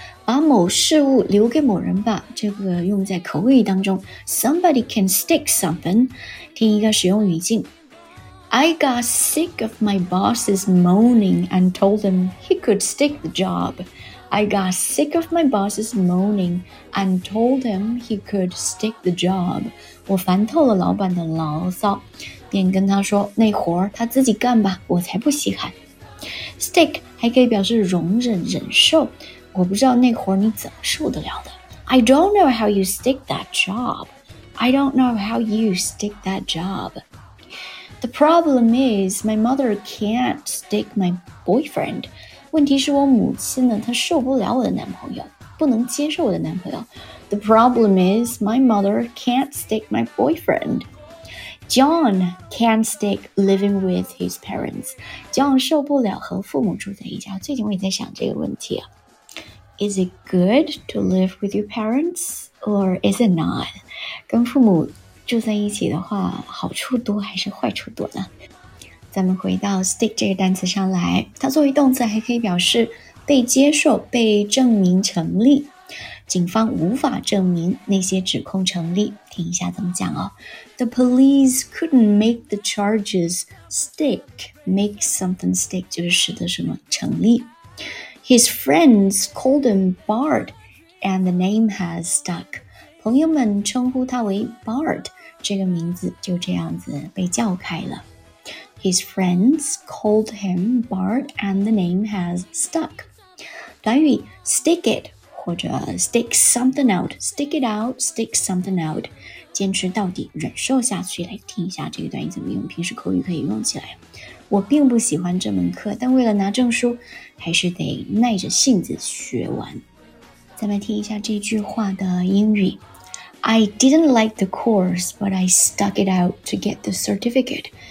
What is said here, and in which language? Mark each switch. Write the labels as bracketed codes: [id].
[zh] 把某事物留给某人吧，这个用在口语当中， [en] Somebody can stick something. [zh] 听一个使用语境， [en] I got sick of my boss's moaning and told him he could stick the job. I got sick of my boss's moaning and told him he could stick the job. [zh] 我烦透了老板的牢骚，便跟他说那活儿他自己干吧，我才不稀罕。 Stick 还可以表示容忍忍受，我不知道那活儿你怎么受得了的。 [en] I don't know how you stick that job. I don't know how you stick that job. The problem is my mother can't stick my boyfriend. [zh] 问题是我母亲呢，她受不了我的男朋友，不能接受我的男朋友。 [en] The problem is my mother can't stick my boyfriend. John can't stick living with his parents. [zh] John 受不了和父母住在一家。最近我也在想这个问题啊。 [en] Is it good to live with your parents or is it not? [zh] 跟父母住在一起的话，好处多还是坏处多呢？咱们回到 stick 这个单词上来，它作为动词还可以表示被接受、被证明成立。警方无法证明那些指控成立。听一下怎么讲哦。 [en] The police couldn't make the charges stick. Make something stick [zh] 就是使得什么成立。 [en] His friends called him Bart, and the name has stuck. [zh] 朋友们称呼他为 Bart, 这个名字就这样子被叫开了。 [en] His friends called him Bart, and the name has stuck. [zh] 短语 [en] stick it, [zh] 或者 [en] stick something out, stick it out, stick something out, [zh] 坚持到底，忍受下去。来听一下这一段怎么用，平时口语可以用起来。我并不喜欢这门课，但为了拿证书，还是得耐着性子学完。再来听一下这句话的英语。 [en] I didn't like the course, but I stuck it out to get the certificate.